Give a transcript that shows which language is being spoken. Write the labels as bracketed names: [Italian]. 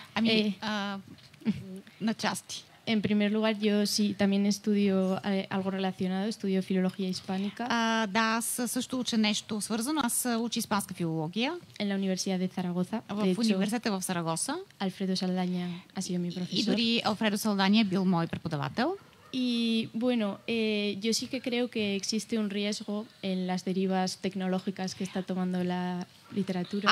[Spanish] A mí, una части. En primer lugar, yo sí también estudio algo relacionado, estudio filología hispánica. [Bulgarian] Да, също уча нещо свързано. Аз уча испанска филология. [Spanish] En la Universidad de Zaragoza. [Bulgarian] В университета в Сарагоса. [Spanish] Alfredo Saldaña ha sido mi profesor. [Bulgarian] И дори Alfredo Saldaña бил мой преподавател. [Spanish] Y bueno, yo sí que creo que existe un riesgo en las derivas tecnológicas que está tomando la literatura.